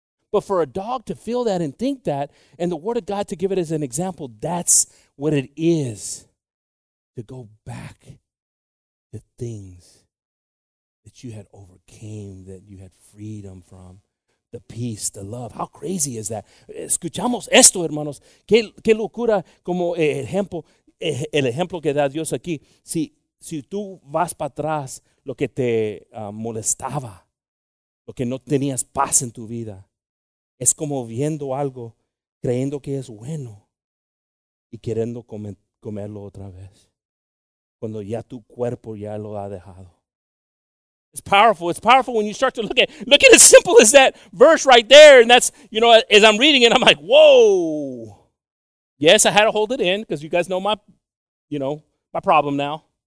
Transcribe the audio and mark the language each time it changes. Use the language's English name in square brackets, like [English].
[English] But for a dog to feel that and think that, and the word of God to give it as an example, that's what it is to go back to things that you had overcame, that you had freedom from, the peace, the love. How crazy is that? [Spanish] Escuchamos esto, hermanos. Qué locura como el ejemplo que da Dios aquí. Si tú vas para atrás, lo que te molestaba, lo que no tenías paz en tu vida, es como viendo algo, creyendo que es bueno y queriendo comerlo otra vez, cuando ya tu cuerpo ya lo ha dejado. [English] It's powerful. It's powerful when you start to look at as simple as that verse right there. And that's, you know, as I'm reading it, I'm like, whoa. Yes, I had to hold it in because you guys know my problem now.